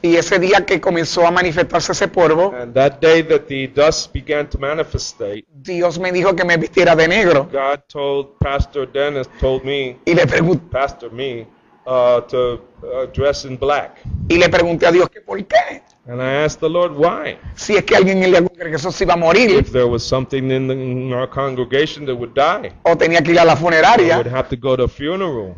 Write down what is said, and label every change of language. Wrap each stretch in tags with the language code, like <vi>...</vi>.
<es>Y ese día que comenzó a manifestarse ese polvo,</es> <en>and that day that the dust began to manifest,</en> <es>Dios me dijo que me vistiera de negro.</es> <en>God told Pastor Dennis, told me,</en> <es>y le pregunté,</es> <en>Pastor me, to dress in black.</en> <es>Y le pregunté a Dios que por qué.</es> <en>And I asked the Lord why.</en> <es>Si es que alguien en la congregación se iba a morir.</es> <en>If there was something in our congregation that would die.</en> <es>O tenía que ir a la funeraria.</es> <en>Or would have to go to a funeral.</en>